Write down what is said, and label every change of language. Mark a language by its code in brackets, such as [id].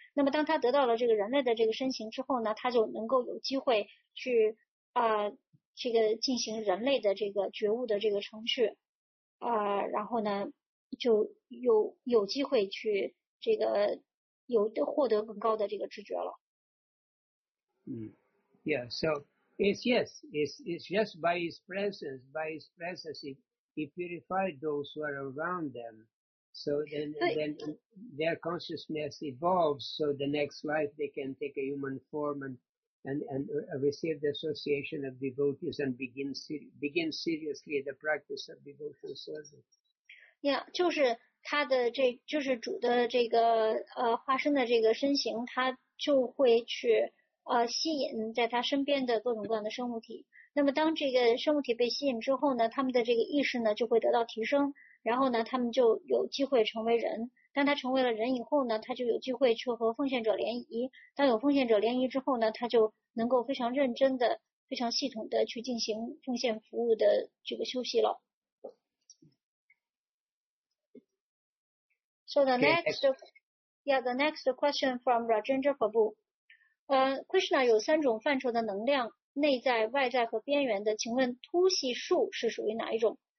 [zh] 那么当他得到了这个人类的这个身形之后呢，他就能够有机会去这个进行人类的这个觉悟的这个程序。然后呢就有机会去这个有获得更高的这个知觉了。 [en] 嗯 ,yeah, so it's just by his presence, He purified those who are around them. So then their consciousness evolves. So the next life, they can take a human form and receive the association of devotees and begin seriously the practice of devotional service. [zh] Yeah, 就是他的这就是主的这个化身的这个身形，他就会去吸引在他身边的各种各样的生物体。那么当这个生物体被吸引之后呢，他们的这个意识呢就会得到提升，然后呢他们就有机会成为人。当他成为了人以后呢，他就有机会去和奉献者联谊。当有奉献者联谊之后呢，他就能够非常认真的、非常系统的去进行奉献服务的这个休息了。 [en] So the next, yeah, the next question from Rajendra Prabhu. [zh] Krishna 有三种范畴的能量。内在、外在和边缘的，请问突系数是属于哪一种？